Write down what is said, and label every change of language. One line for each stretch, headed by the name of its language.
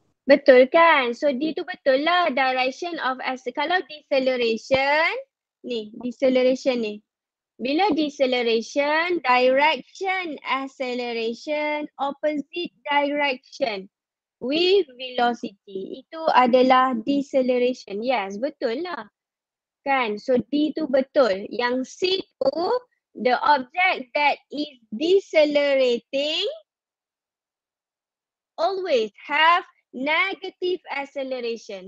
Malay: Betul kan? So D tu betul lah. Direction of kalau deceleration ni, deceleration ni. Bila
English: deceleration, direction acceleration opposite direction with velocity.
Malay: Itu adalah deceleration.
English: Yes,
Malay: betul lah. Kan? So D tu betul. Yang C tu,
English: the object that is decelerating always have negative acceleration.